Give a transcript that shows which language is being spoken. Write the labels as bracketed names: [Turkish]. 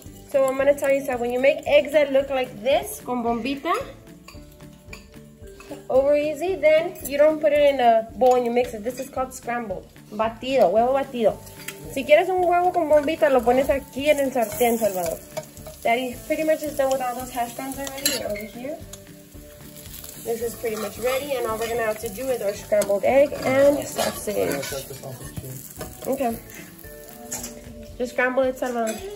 [English] So I'm going to tell you, so when you make eggs that look like this, [Spanish] con bombita, [English] over easy, then you don't put it in a bowl and you mix it. This is called scrambled. [Spanish] Batido, huevo batido. Si quieres un huevo con bombita, lo pones aquí en el sartén, Salvador. [English] Daddy pretty much is done with all those hash browns already. They're over here. This is pretty much ready, and all we're gonna have to do is our scrambled egg and sausage. Okay. Just scramble it, Salvador.